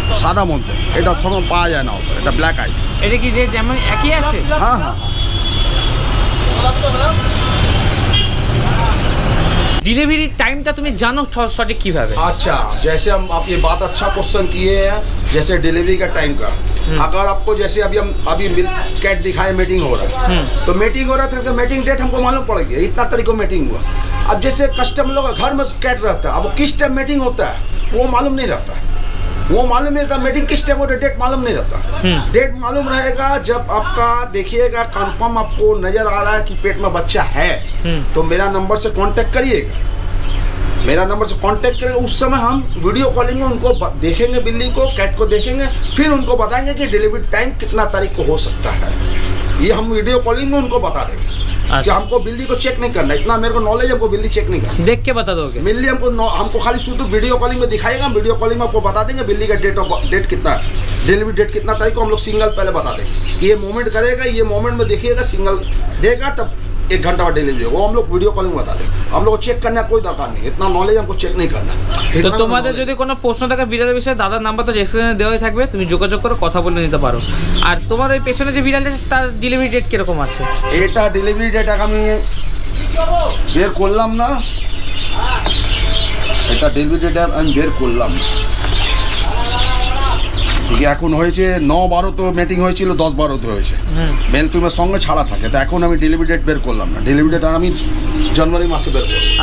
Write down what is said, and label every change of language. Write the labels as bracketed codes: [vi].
[bn] সাদা মধ্যে, এটা সব পাওয়া যায় না, এটা ব্ল্যাক আই। এটা কি যে যেমন একই আছে? হ্যাঁ হ্যাঁ। ডেলিভারি টাইমটা তুমি জানো সঠিক কিভাবে? [hi] আচ্ছা, জেসে হাম আপ ইয়ে বাত আচ্ছা কোশ্চেন কিয়ে হ্যায়, জেসে ডেলিভারি কা টাইম কা। अगर आपको जैसे अभी हम अभी कैट दिखाए, मीटिंग हो रहा है, तो मीटिंग हो रहा था, मीटिंग डेट हमको मालूम पड़ गया, इतना तारीख को मीटिंग हुआ। अब जैसे कस्टम लोग घर में कैट रहता है, अब किस टाइम मीटिंग होता है वो मालूम नहीं रहता, वो मालूम नहीं रहता मीटिंग किस टाइम होता है, डेट मालूम नहीं रहता। डेट मालूम रहेगा जब आपका देखिएगा कन्फर्म आपको नजर आ रहा है कि पेट में बच्चा है, तो मेरा नंबर से कॉन्टेक्ट करिएगा, मेरा नंबर से कांटेक्ट करेंगे, उस समय हम वीडियो कॉलिंग में उनको देखेंगे, बिल्ली को कैट को देखेंगे, फिर उनको बताएंगे कि डिलीवरी टाइम कितना तारीख को हो सकता है, ये हम वीडियो कॉलिंग में उनको बता देंगे। कि हमको बिल्ली को चेक नहीं करना, इतना मेरे को नॉलेज है, बिल्ली चेक नहीं करना। देख के बता दोगे बिल्ली हमको, हमको खाली शुद्ध वीडियो कॉलिंग में दिखाएगा, वीडियो कॉलिंग में आपको बता देंगे बिल्ली का डेट ऑफ डेट कितना है, डिलीवरी डेट कितना तारीख को, हम लोग सिंगल पहले बता देंगे कि ये मोमेंट करेगा, ये मोमेंट में देखिएगा सिंगल देगा तब एक घंटा बाद डिलीवरी होगा, हम लोग वीडियो कॉलिंग बता देंगे, हम लोग चेक करने का कोई दरकार नहीं, इतना नॉलेज हमको चेक नहीं करना। तो तुम्हारे [bn] যদি কোনো প্রশ্ন থাকে বিড়ালের বিষয়ে দাদার নাম্বার তো ডেসক্রিপশনে দেওয়াই থাকবে, তুমি যোগাযোগ করে কথা বলে নিতে পারো। আর তোমার ওই পেছনে যে বিড়াল আছে তার ডেলিভারি ডেট কি রকম আছে? এটা ডেলিভারি ডেট আমি বের করলাম না, এটা ডেলিভারি ডেট আমি বের করলাম, এখন হয়েছে 9-12 তো মিটিং হয়েছিল, 10-12 তো হয়েছে, মেল ফিমেল সঙ্গে ছাড়া থাকে, তো এখন আমি ডেলিভারি ডেট বের করলাম না, ডেলিভারি ডেট আমি জানুয়ারি মাসে বের করব।